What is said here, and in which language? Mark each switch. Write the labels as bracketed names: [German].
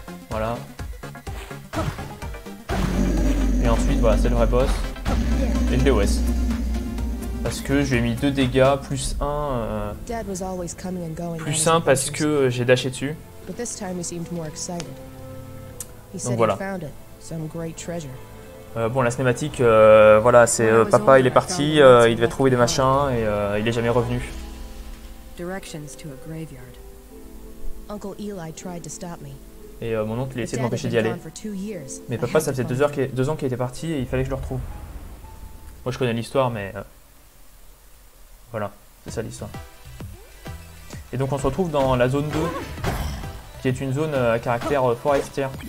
[French] Voilà. Et ensuite, voilà, c'est le vrai boss. Et je l'ai OS. Parce que je lui ai mis deux dégâts, plus un... plus un parce que j'ai dashé dessus. [English] But this time he seemed more excited. He said he found it, some great treasure. [French] Bon, la cinématique, voilà, c'est papa, il est parti, il devait trouver des machins et il est jamais revenu. [English] Directions to a graveyard. Uncle Eli tried to stop me. [French] Et mon oncle, il essayait de m'empêcher d'y aller. Mais papa, ça faisait deux ans qu'il était parti et il fallait que je le retrouve. Moi, je connais l'histoire, mais voilà, c'est ça l'histoire. Et donc, on se retrouve dans la zone 2. Qui est une zone à caractère forestière.